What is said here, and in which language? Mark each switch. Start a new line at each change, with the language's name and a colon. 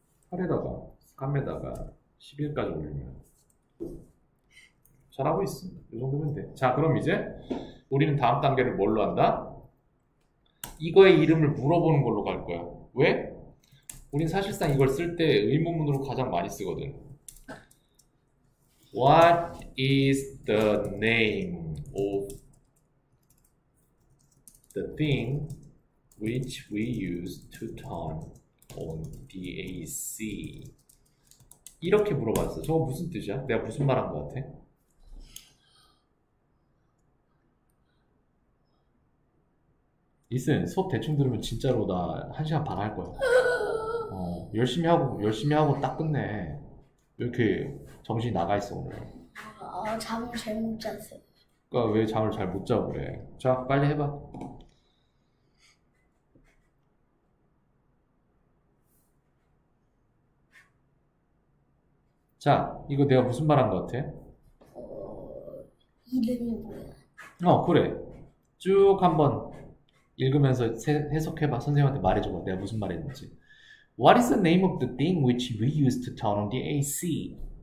Korean: 8에다가, 3에다가 11까지 올리면. 잘하고 있어. 요 정도면 돼. 자, 그럼 이제 우리는 다음 단계를 뭘로 한다? 이거의 이름을 물어보는 걸로 갈 거야. 왜? 우린 사실상 이걸 쓸때 의문문으로 가장 많이 쓰거든.
English: What is the name of the thing which we use to turn on the AC?
Korean: 이렇게 물어봤어. 저거 무슨 뜻이야? 내가 무슨 말한 것 같아? 이슨, 수업 대충 들으면 진짜로 나한 시간 반할 거야. 열심히 하고, 열심히 하고 딱 끝내. 이렇게 정신이 나가 있어, 오늘. 잠을 잘못 잤어요. 그러니까 왜 잠을 잘못 자고 그래? 자, 빨리 해봐. 자, 이거 내가 무슨 말한 것 같아? 이름이 뭐야? 그래. 쭉 한번 읽으면서 해석해봐. 선생님한테 말해줘봐. 내가 무슨 말했는지.
English: What is the name of the thing which we use to turn on the AC?